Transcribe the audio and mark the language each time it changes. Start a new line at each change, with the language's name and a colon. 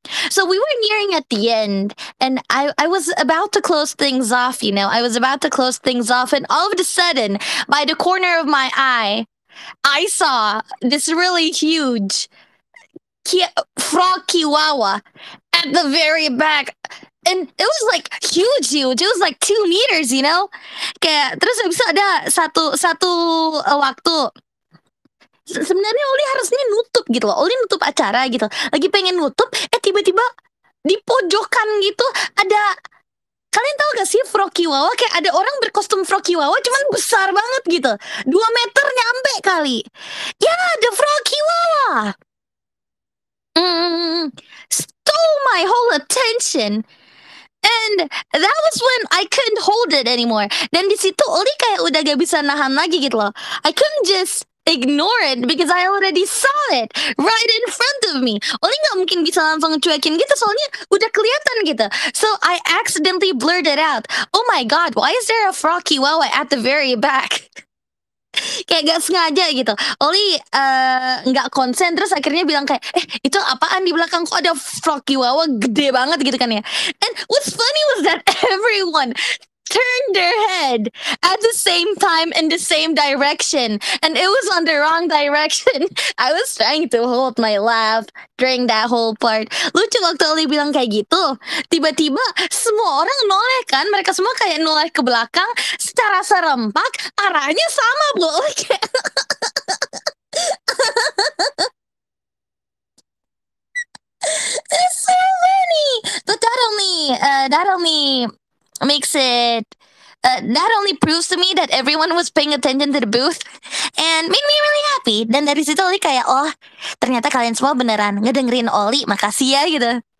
English: So we were nearing at the end, and I was about to close things off, you know. I was about to close things off, and all of a sudden, by the corner of my eye, I saw this really huge frog chihuahua at the very back. And it was like huge. It was like 2 meters, you know.
Indonesian: Kayak, terus bisa ada satu waktu. Sebenarnya Oli harusnya nutup gitu loh. Oli nutup acara gitu. Lagi pengen nutup, tiba-tiba di pojokan gitu ada, kalian tahu gak sih frog chihuahua? Kayak ada orang berkostum frog chihuahua, cuman besar banget gitu. 2 meter nyampe kali.
English: Ya, the frog chihuahua. Stole my whole attention. And that was when I couldn't hold it anymore.
Indonesian: Dan di situ Oli kayak udah gak bisa nahan lagi gitu loh.
English: I couldn't just ignore it because I already saw it right in front of me.
Indonesian: Oli nggak mungkin bisa langsung cuekin gitu, soalnya udah kelihatan gitu.
English: So I accidentally blurted out, "Oh my god, why is there a frog chihuahua at the very back?"
Indonesian: Kayak gak sengaja gitu. Oli nggak konsen, terus akhirnya bilang kayak, itu apaan di belakang kok ada frog chihuahua gede banget gitu kan ya?
English: And what's funny was that everyone turned her head at the same time in the same direction, and it was on the wrong direction. I was trying to hold my laugh during that whole part.
Indonesian: Lucu waktu Oli bilang kayak gitu, tiba-tiba semua orang noleh kan, mereka semua kayak noleh ke belakang secara serempak, arahnya sama bu.
English: There's so many, but that only makes it. That only proves to me that everyone was paying attention to the booth, and made me really happy.
Indonesian: Dan dari situ Oli kayak, oh, ternyata kalian semua beneran ngedengerin Oli, makasih ya gitu.